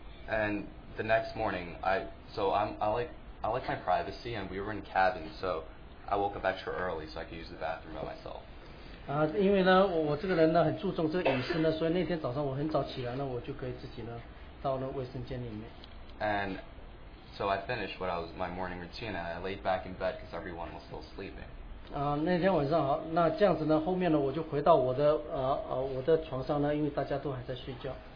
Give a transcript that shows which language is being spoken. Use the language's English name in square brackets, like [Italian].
[English] And the next morning, I like my privacy, and we were in cabin, so I woke up extra early so I could use the bathroom by myself. [Chinese] 因为呢，我这个人呢很注重这个隐私呢，所以那天早上我很早起来呢，我就可以自己呢到了卫生间里面。 [English] And so I finished what I was my morning routine, and I laid back in bed because everyone was still sleeping. [Chinese] 那天晚上好，那这样子呢，后面呢我就回到我的床上呢，因为大家都还在睡觉。